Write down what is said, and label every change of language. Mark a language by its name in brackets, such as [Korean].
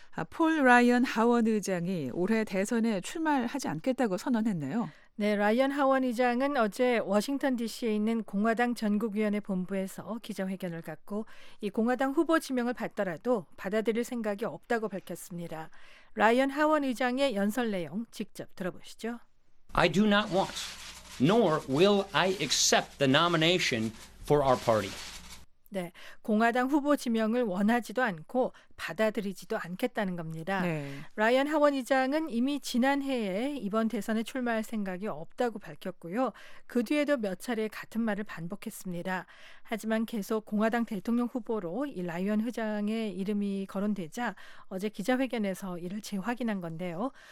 [Korean] 폴 라이언 하원 의장이 올해 대선에 출마하지 않겠다고 선언했네요. 네, 라이언 하원 의장은 어제 워싱턴 DC에 있는 공화당 전국위원회 본부에서 기자회견을 갖고 이 공화당 후보 지명을 받더라도 받아들일 생각이 없다고 밝혔습니다. 라이언 하원 의장의 연설 내용 직접 들어보시죠. [English] I do not want, nor will I accept the nomination for our party. [Korean] 네, 공화당 후보 지명을 원하지도 않고 받아들이지도 않겠다는 겁니다. 네. 라이언 하원 의장은 이미 지난해에 이번 대선에 출마할 생각이 없다고 밝혔고요. 그 뒤에도 몇 차례 같은 말을 반복했습니다. 하지만 계속 공화당 대통령 후보로 이 라이언 의장의 이름이 거론되자 어제 기자회견에서 이를 재확인한 건데요.